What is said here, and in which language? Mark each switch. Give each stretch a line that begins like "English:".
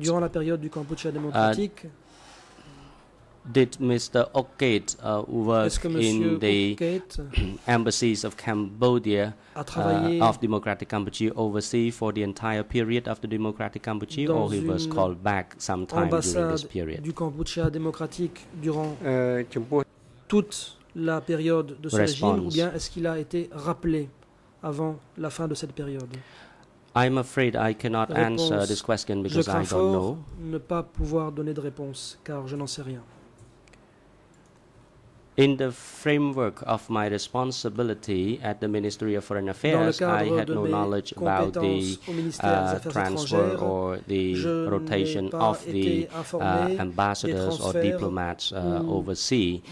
French: Durant la période du Cambodge démocratique.
English: Did Mr. Okate work in the Okate embassies of Cambodia of Democratic Cambodia overseas for the entire period of the Democratic Cambodia or he was called back sometime during this period?
French: Du Cambodge démocratique durant toute la période de ce
English: response.
French: Régime ou bien est-ce qu'il a été rappelé avant la fin de cette période?
English: I'm afraid I cannot answer this question because I don't know.
French: Ne pas pouvoir donner de réponse car je n'en sais rien.
English: In the framework of my responsibility at the Ministry of Foreign Affairs, I had no knowledge about the transfer or the rotation of the ambassadors or diplomats overseas.